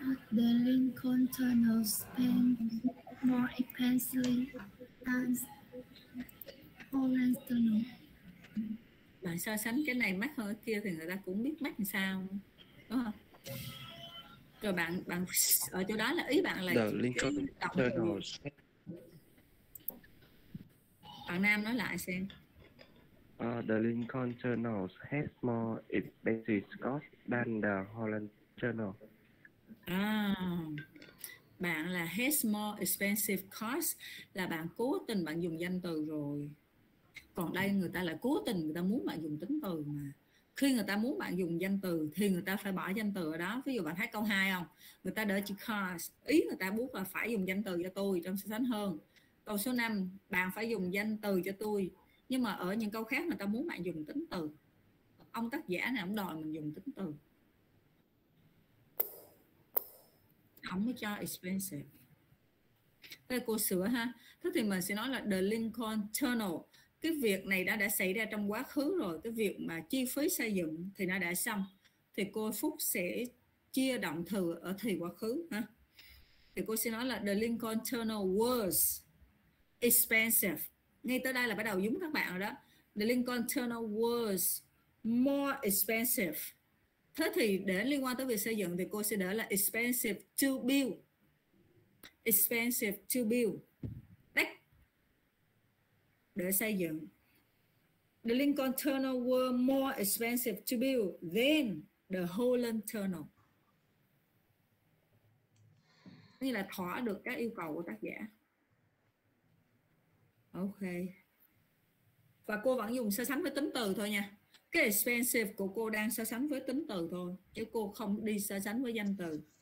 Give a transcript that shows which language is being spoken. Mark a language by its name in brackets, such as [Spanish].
[English] The Lincoln Tunnel spend more expensive than Holland Tunnel. [Vietnamese] Bạn so sánh cái này mắc hơn cái kia thì người ta cũng biết mắc làm sao, đúng không? Rồi bạn ở chỗ đó là ý bạn là [English] The Lincoln Tunnel. [Vietnamese] Bạn Nam nói lại xem. [English] The Lincoln Tunnel has more expensive cost than the Holland Tunnel. [Vietnamese] Bạn là [English] has more expensive cost [Vietnamese] là bạn cố tình bạn dùng danh từ rồi. Còn đây người ta lại cố tình người ta muốn bạn dùng tính từ mà. Khi người ta muốn bạn dùng danh từ thì người ta phải bỏ danh từ ở đó. Ví dụ bạn thấy câu 2 không? Người ta đỡ chữ cost. Ý người ta muốn là phải dùng danh từ cho tôi trong so sánh hơn. Câu số 5, bạn phải dùng danh từ cho tôi. Nhưng mà ở những câu khác người ta muốn bạn dùng tính từ. Ông tác giả này ông đòi mình dùng tính từ. Không có cho expensive. Đây cô sửa ha. Thế thì mình sẽ nói là the Lincoln Tunnel. Cái việc này đã xảy ra trong quá khứ rồi. Cái việc mà chi phí xây dựng thì nó đã xong. Thì cô Phúc sẽ chia động từ ở thì quá khứ ha. Thì cô sẽ nói là [English] the Lincoln Tunnel was expensive. [Vietnamese] Ngay tới đây là bắt đầu dúng các bạn rồi đó. [English] The Lincoln Tunnel was more expensive. [Vietnamese] Thế thì để liên quan tới việc xây dựng thì cô sẽ để là [English] expensive to build. Expensive to build. [Vietnamese] Đấy. Để xây dựng. [English] The Lincoln Tunnel were more expensive to build than the Holland Tunnel. [Vietnamese] Nghĩa là thỏa được các yêu cầu của tác giả. Ok. Và cô vẫn dùng so sánh với tính từ thôi nha. Cái expensive của cô đang so sánh với tính từ thôi, chứ cô không đi so sánh với danh từ.